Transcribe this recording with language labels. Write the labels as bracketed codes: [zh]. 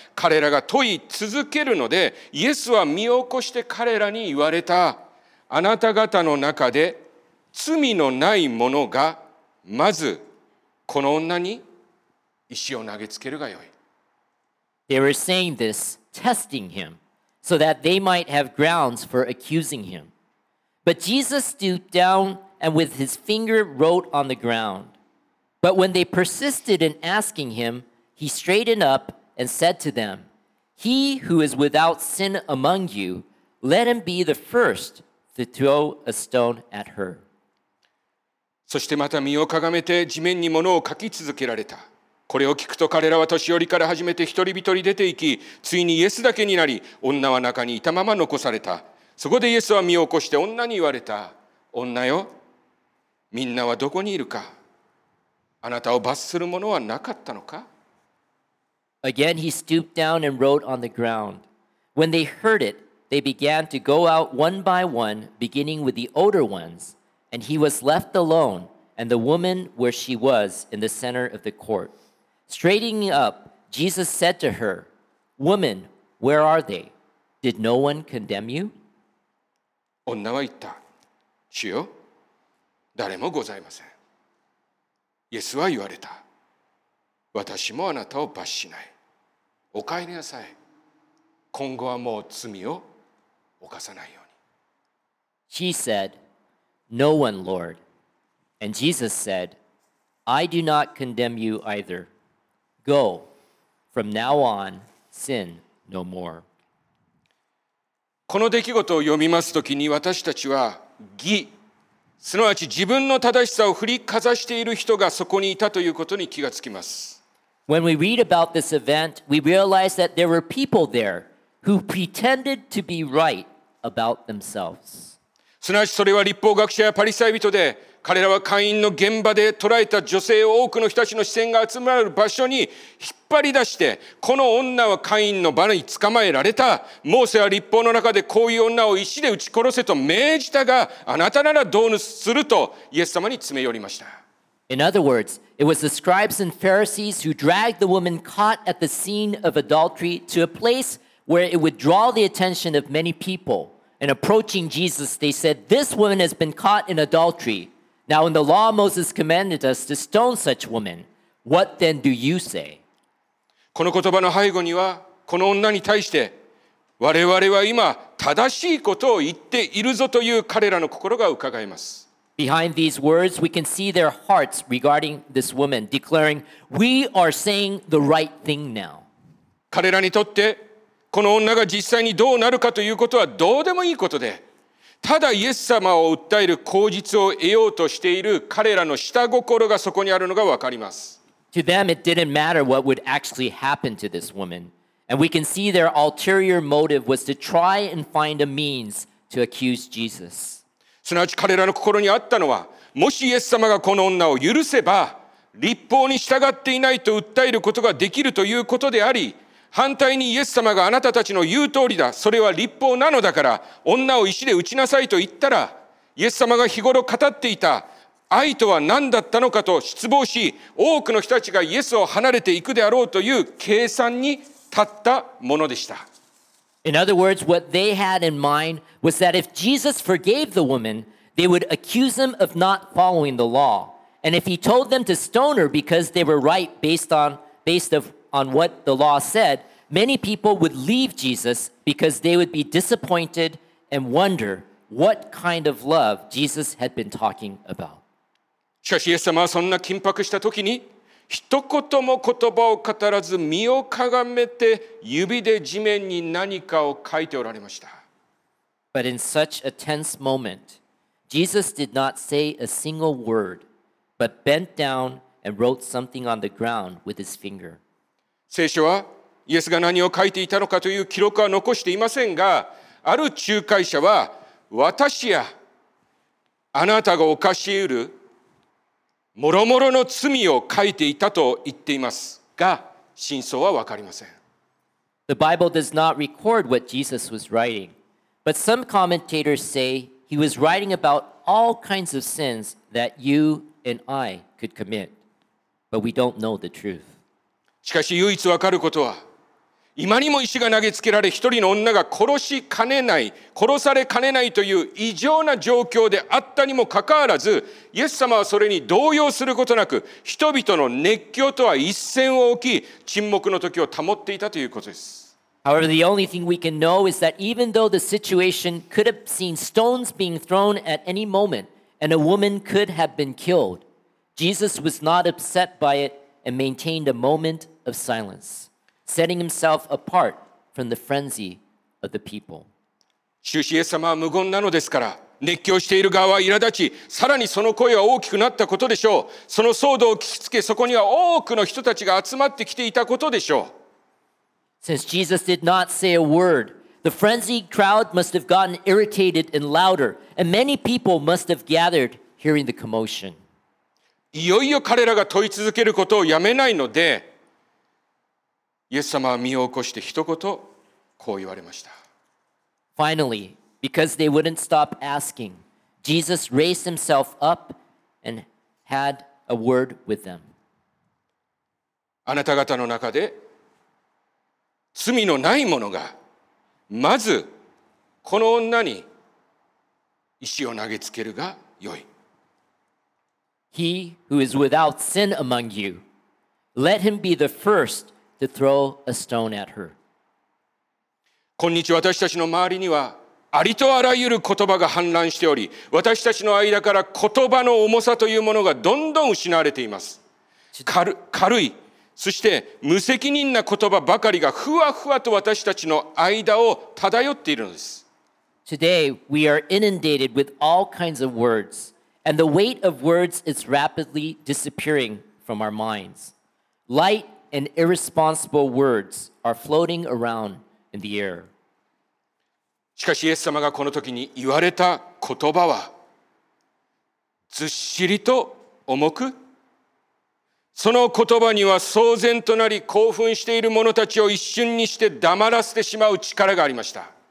[ja] 彼らが問い続けるのでイエスは身を起こして彼らに言われた。あなた方の中で罪のない者がまずこの女に石を投げつけるがよい。 [en] They were saying this, testing him. So that they might have grounds for accusing him. But Jesus stooped down and with his finger wrote on the ground. But when they persisted in asking him, he straightened up and said to them, He who is without sin among you, let him be the first to throw a stone at her. [ja] そしてまた身をかがめて地面に物を書き続けられた。これを聞くと彼らは年寄りから始めて一人一人出て行き、ついにイエスだけになり、女は中にいたまま残された。そこでイエスは身を起こして女に言われた。女よ、みんなはどこにいるか。あなたを罰するものはなかったのか。 [en] Again, he stooped down and wrote on the ground. When they heard it, they began to go out one by one, beginning with the older ones. And he was left alone, and the woman where she was in the center of the court. Straightening up, Jesus said to her, Woman, where are they? Did no one condemn you? [ja] 女は言った。主よ、誰もございません。イエスは言われた。私もあなたを罰しない。お帰りなさい。今後はもう罪を犯さないように。 [en] She said, No one, Lord. And Jesus said, I do not condemn you either. Go. From now on, sin no more. [ja] この出来事を読みますときに私たちは義、すなわち自分の正しさを振りかざしている人がそこにいたということに気がつきます。 [en] When we read about this event, we realize that there were people there who pretended to be right about themselves. [ja] すなわちそれは律法学者やパリサイ人で、彼らは会員の現場で捉えた女性を多くの人たちの視線が集まる場所に引っ張り出して、この女は会員の場に捕まえられた。モーセは律法の中でこういう女を石で打ち殺せと命じたが、あなたならどうするとイエス様に詰め寄りました。 [en] In other words, it was the scribes and Pharisees who dragged the woman caught at the scene of adultery to a place where it would draw the attention of many people. And approaching Jesus, they said, This woman has been caught in adultery. Now in the law, Moses commanded us to stone such women. What then do you say? [ja] この言葉の背後には、この女に対して、我々は今正しいことを言っているぞという彼らの心が伺えます。 [en] Behind these words, we can see their hearts regarding this woman, declaring, We are saying the right thing now. [ja] 彼らにとって、この女が実際にどうなるかということはどうでもいいことで、ただイエス様を訴える口実を得ようとしている彼らの下心がそこにあるのがわかります。 [en] To them, it didn't matter what would actually happen to this woman. And we can see their ulterior motive was to try and find a means to accuse Jesus. [ja] すなわち彼らの心にあったのは、もしイエス様がこの女を許せば、律法に従っていないと訴えることができるということであり、反対にイエス様があなたたちの言う通りだ、それは律法なのだから、女を石で打ちなさいと言ったら、イエス様が日頃語っていた愛とは何だったのかと失望し、多くの人たちがイエスを離れていくであろうという計算に立ったものでした。 [en] In other words, what they had in mind was that if Jesus forgave the woman, they would accuse him of not following the law. And if he told them to stone her because they were right based on what the law said, many people would leave Jesus because they would be disappointed and wonder what kind of love Jesus had been talking about. [ja] しかしイエス様はそんな緊迫した時に、一言も言葉を語らず身をかがめて指で地面に何かを書いておられました。 [en] But in such a tense moment, Jesus did not say a single word, but bent down and wrote something on the ground with his finger. [ja] 聖書はイエスが何を書いていたのかという記録は残していませんが、ある仲介者は私やあなたが犯しうる諸々の罪を書いていたと言っていますが、真相は分かりません。 [en] The Bible does not record what Jesus was writing, but some commentators say he was writing about all kinds of sins that you and I could commit, but we don't know the truth. [ja] しかし唯一分かることは、今にも石が投げつけられ、一人の女が殺しかねない、殺されかねないという異常な状況であったにもかかわらず、イエス様はそれに動揺することなく、人々の熱狂とは一線を置き、沈黙の時を保っていたということです。 [en] However, the only thing we can know is that even though the situation could have seen stones being thrown at any moment, and a woman could have been killed, Jesus was not upset by it and maintained a moment of silence. Setting himself apart from the frenzy of the people. [ja] 終始イエス様は無言なのですから、熱狂している側は苛立ち、さらにその声は大きくなったことでしょう。その騒動を聞きつけ、そこには多くの人たちが集まってきていたことでしょう。 [en] Since Jesus did not say a word, the frenzied crowd must have gotten irritated and louder, and many people must have gathered hearing the commotion. [ja] いよいよ彼らが問い続けることをやめないので、イエス様は身を起こして一言こう言われました。 [en] Finally,Because they wouldn't stop asking, Jesus raised himself up and had a word with them. [ja] あなた方の中で罪のない者がまずこの女に石を投げつけるがよい。 [en] He who is without sin among you, let him be the first to throw a stone at her. [ja] こんにちは、私たちの周りにはありとあらゆる言葉が氾濫しており、私たちの間から言葉の重さというものがどんどん失われています。軽い、そして無責任な言葉ばかりがふわふわと私たちの間を漂っているのです。 [en] Today we are inundated with all kinds of words, and the weight of words is rapidly disappearing from our minds. Light and irresponsible words are floating around in the air. [ja] しかしイエス様がこの時に言われた言葉はずっしりと重く、その言葉には騒然となり興奮している者たちを一瞬にして黙らせてしまう力がありました。